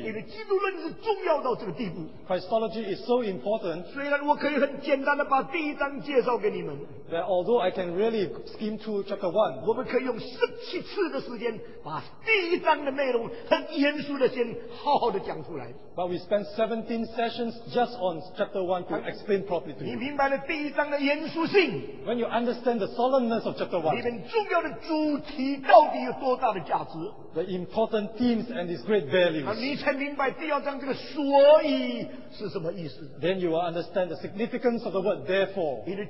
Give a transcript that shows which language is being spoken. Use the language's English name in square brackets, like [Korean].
[English] Christology is so important that although I can really skim through chapter 1, [Chinese] 我们可以用17次的时间把第一章的内容很严肃的先好好的讲出来。 [English] But we spent 17 sessions just on chapter 1 to explain properly to you. When you understand the solemnness of chapter 1, the important themes and its great values, then you will understand the significance of the word therefore.